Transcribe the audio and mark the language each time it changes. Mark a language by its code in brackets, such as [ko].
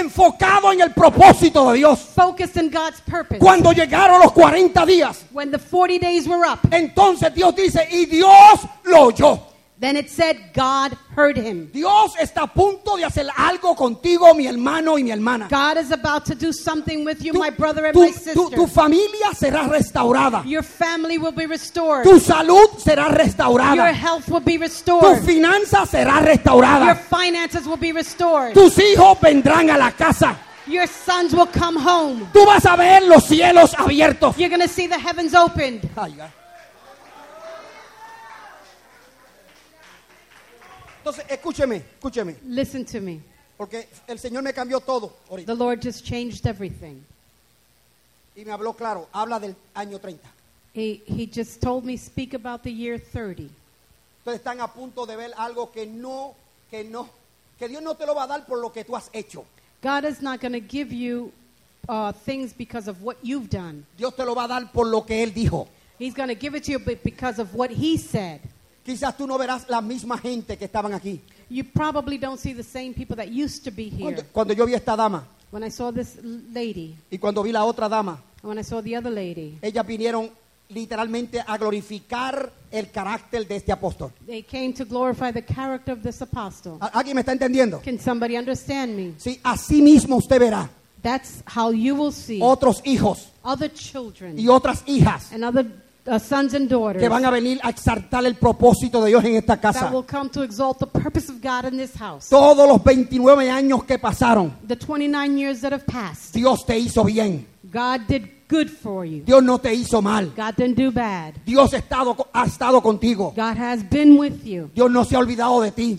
[es] Enfocado en el propósito de Dios. [en] Focused in God's purpose. [es] Cuando llegaron los 40 días. [en] When the 40 days were up. [es] Entonces Dios dice, y Dios lo oyó. [en] Then it said God heard him. [es] Dios está a punto de hacer algo contigo, mi hermano y mi hermana. [en] God is about to do something with you, my brother and my sister. [es] Tu familia será restaurada. [en] Your family will be restored. [es] Tu salud será restaurada. [en] Your health will be restored. [es] Tu finanza será restaurada. [en] Your finances will be restored. [es] Tus hijos vendrán a la casa. [en] Your sons will come home. [es] Tú vas a ver los cielos abiertos. [en] You're going to see the heavens opened. Ay, ay. [es] Entonces, escúcheme. [en] Listen to me. [es] Porque el Señor me cambió todo ahorita. [en] The Lord just changed everything. [es] Y me habló claro. Habla del año 30. [en] He just told me, speak about the year 30. [es] Entonces, están a punto de ver algo que Dios no te lo va a dar por lo que tú has hecho. [en] God is not going to give you things because of what you've done. [es] Dios te lo va a dar por lo que él dijo. [en] He's going to give it to you because of what he said. [es] Quizás tú no verás la misma gente que estaban aquí. [en] You probably don't see the same people that used to be here. [es] Cuando yo vi esta dama. [en] When I saw this lady. [es] Y cuando vi la otra dama. [en] When I saw the other lady. [es] Ellas vinieron literalmente a glorificar el carácter de este apóstol. [en] They came to glorify the character of this apostle. [es] ¿Alguien me está entendiendo? [en] Can somebody understand me? [es] Sí, así mismo usted verá. [en] That's how you will see. [es] Otros hijos. [en] Other children. [es] Y otras hijas. [en] And other sons and daughters. [es] Que van a venir a exaltar el propósito de Dios en esta casa. [en] That will come to exalt the purpose of God in this house. [es] Todos los 29 años que pasaron. [en] The 29 years that have passed. [es] Dios te hizo bien. [en] God did good for you. [es] Dios no te hizo mal. [en] God didn't do bad. [es] Dios ha estado contigo. [en] God has been with you. [es] Dios no se ha olvidado de ti.